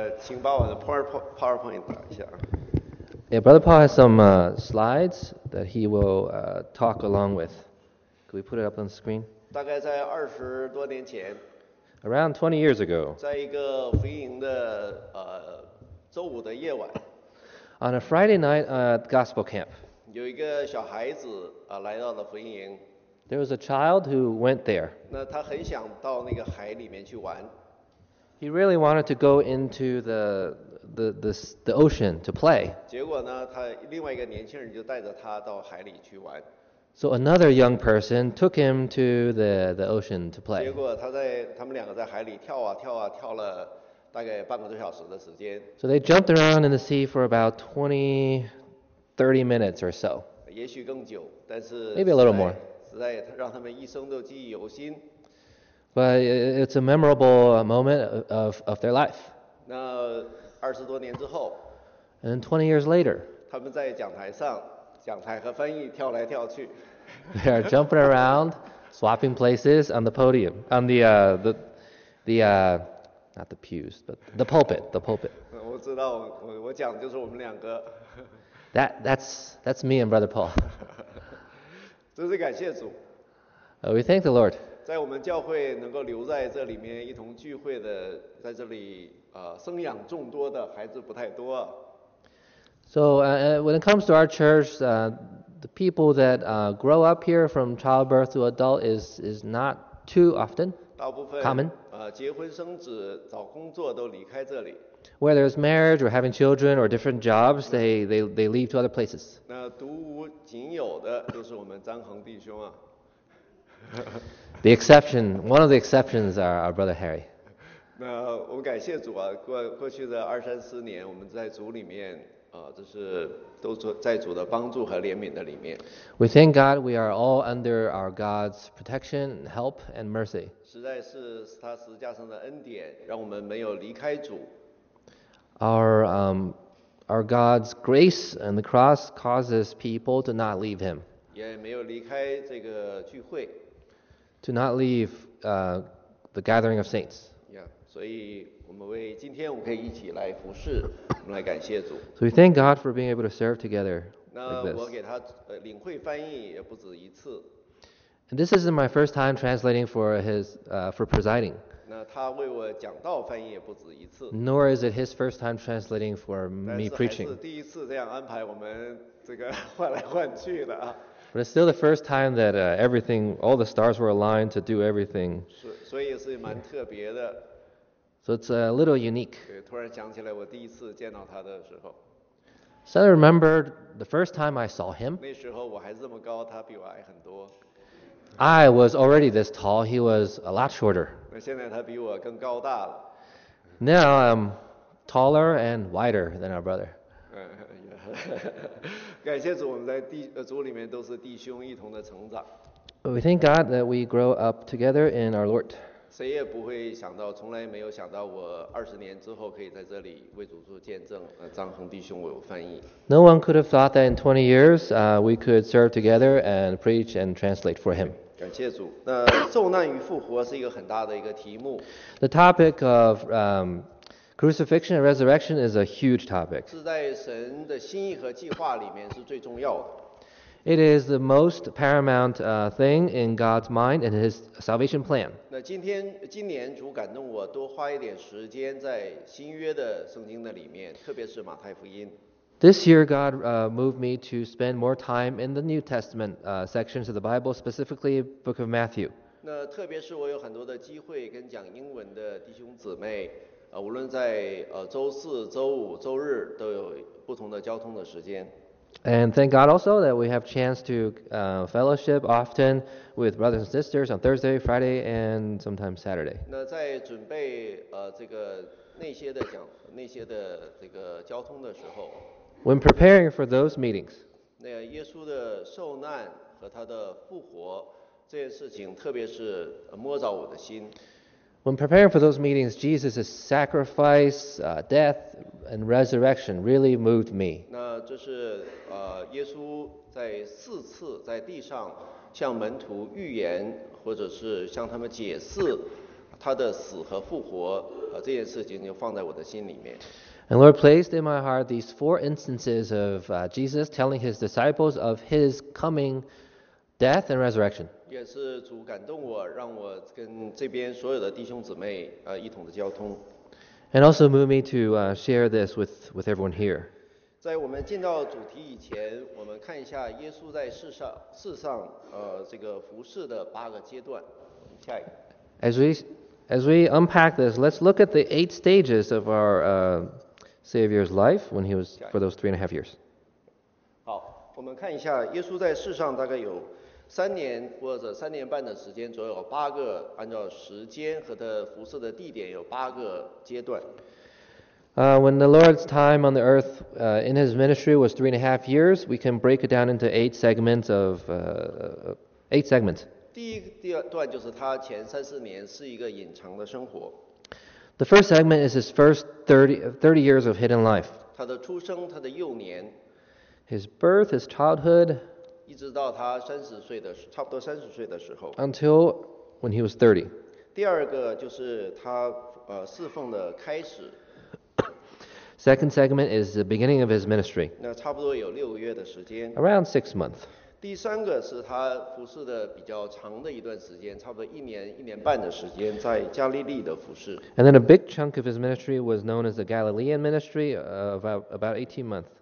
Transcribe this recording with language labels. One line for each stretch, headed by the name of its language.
Chinese: 请把我的 PowerPoint 打一下。
English: Yeah, Brother Paul has some slides that he will talk along with. Can we put it up on the screen?
Chinese: 大概在二十多年前。
English: Around 20 years ago.
Chinese: 在一个福音的周五的夜晚。
English: On a Friday night at gospel camp.
Chinese: 有一个小孩子来到了福音营。
English: There was a child who went there.
Chinese: 那他很想到那个海里面去玩。
English: He really wanted to go into the ocean to play.
Chinese: 结果呢，他另外一个年轻人就带着他到海里去玩。
English: So another young person took him to the ocean to play.
Chinese: 结果他们两个在海里跳啊跳啊跳了大概半个多小时的时间。
English: So they jumped around in the sea for about 20-30 minutes or so.
Chinese: 也许更久，但是
English: maybe a little more.
Chinese: 实在让他们一生都记忆犹新。
English: But it's a memorable moment of their life.
Chinese: 那二十多年之后
English: ，and 20 years later，
Chinese: 他们在讲台上，讲台和翻译跳来跳去。
English: They are jumping around, swapping places on the podium, on not the pews, but the pulpit.
Chinese: 我知道，我讲就是我们两个。
English: That's me and Brother Paul.
Chinese: 真是感谢主。
English: We thank the Lord.
Chinese: 在我们教会能够留在这里面一同聚会的，在这里。生养众多的孩子不太多。
English: So when it comes to our church, the people that grow up here from childbirth to adult is not too often.
Chinese: 大部分
English: common.
Chinese: 结婚生子找工作都离开这里。
English: Whether it's marriage or having children or different jobs, they leave to other places.
Chinese: 那独无仅有的就是我们张恒弟兄啊。
English: The exception, one of the exceptions are our brother Harry.
Chinese: 我感谢主啊，过去的二三四年，我们在主里面，就是都在主的帮助和怜悯的里面。
English: We thank God we are all under our God's protection, help, and mercy.
Chinese: 实在是他十字架上的恩典，让我们没有离开主。
English: Our God's grace and the cross causes people to not leave Him.
Chinese: 也没有离开这个聚会。
English: To not leave the gathering of saints.
Chinese: 所以我们为今天我们可以一起来服侍，我们来感谢主。
English: So we thank God for being able to serve together.
Chinese: 那我给他领会翻译也不止一次。
English: And this isn't my first time translating for his for presiding.
Chinese: 那他为我讲道翻译也不止一次。
English: Nor is it his first time translating for me preaching.
Chinese: 但是还是第一次这样安排我们这个换来换去的啊。
English: But it's still the first time that everything, all the stars were aligned to do everything.
Chinese: 所以也是蛮特别的。
English: So it's a little unique.
Chinese: 对，突然想起来我第一次见到他的时候。
English: So I remembered the first time I saw him.
Chinese: 那时候我还这么高，他比我矮很多。
English: I was already this tall. He was a lot shorter.
Chinese: 那现在他比我更高大了。
English: Now I'm taller and wider than our brother.
Chinese: 感谢主，我们在组里面都是弟兄一同的成长。
English: We thank God that we grow up together in our Lord.
Chinese: 谁也不会想到，从来没有想到，我二十年之后可以在这里为主做见证。张恒弟兄为我翻译。
English: No one could have thought that in 20 years, we could serve together and preach and translate for him.
Chinese: 感谢主。那受难与复活是一个很大的一个题目。
English: The topic of crucifixion and resurrection is a huge topic.
Chinese: 是在神的心意和计划里面是最重要的。
English: It is the most paramount thing in God's mind and His salvation plan.
Chinese: 那今年主感动我多花一点时间在新约的圣经的里面，特别是马太福音。
English: This year, God moved me to spend more time in the New Testament sections of the Bible, specifically Book of Matthew.
Chinese: 那特别是我有很多的机会跟讲英文的弟兄姊妹，无论在周四、周五、周日都有不同的交通的时间。
English: And thank God also that we have chance to fellowship often with brothers and sisters on Thursday, Friday, and sometimes Saturday.
Chinese: 那在准备这个那些的这个交通的时候
English: ，When preparing for those meetings,
Chinese: 那耶稣的受难和他的复活这件事情，特别是摸着我的心。
English: When preparing for those meetings, Jesus' sacrifice, death, and resurrection really moved me.
Chinese: 那这是耶稣在四次在地上向门徒预言，或者是向他们解释他的死和复活这件事情就放在我的心里面。
English: And Lord placed in my heart these four instances of Jesus telling his disciples of his coming death and resurrection.
Chinese: 也是主感动我，让我跟这边所有的弟兄姊妹一同的交通。
English: And also moved me to share this with everyone here.
Chinese: 在我们进到主题以前，我们看一下耶稣在世上这个服事的八个阶段。下一个。
English: As we unpack this, let's look at the eight stages of our Savior's life when he was for those 3.5 years.
Chinese: 好，我们看一下耶稣在世上大概有三年或者三年半的时间，左右八个按照时间和他服事的地点有八个阶段。
English: When the Lord's time on the earth in his ministry was 3.5 years, we can break it down into eight segments.
Chinese: 第二段就是他前三四年是一个隐藏的生活。
English: The first segment is his first 30 years of hidden life.
Chinese: 他的出生，他的幼年。
English: His birth, his childhood.
Chinese: 一直到他三十岁的差不多三十岁的时候。
English: Until when he was 30.
Chinese: 第二个就是他侍奉的开始。
English: Second segment is the beginning of his ministry.
Chinese: 那差不多有六个月的时间。
English: Around 6 months.
Chinese: 第三个是他服事的比较长的一段时间，差不多一年半的时间在加利利的服事。
English: And then a big chunk of his ministry was known as the Galilean ministry, about 18 months.